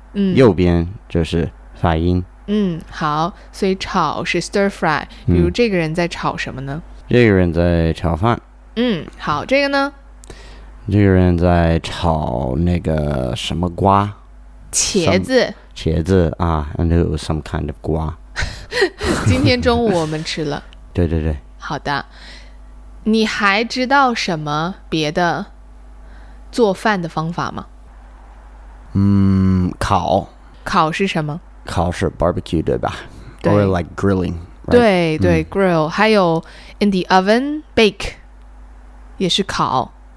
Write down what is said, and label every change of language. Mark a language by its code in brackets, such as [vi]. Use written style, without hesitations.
[zh] 嗯，右边就是发音。嗯，好，所以炒是 stir fry。比如这个人在炒什么呢、嗯？这个人在炒饭。嗯，好，这个呢？这个人在炒那个什么瓜？茄子。茄子啊 [en] ，and it was some kind of 瓜。 [zh] 今天中午我们吃了。对对对。好的，你还知道什么别的做饭的方法吗？嗯，烤。烤是什么？烤是 barbecue 对吧？对。 [en] Or like grilling、right? [zh] 对对、嗯、，grill 还有 [en] in the oven bake [zh] 也是烤。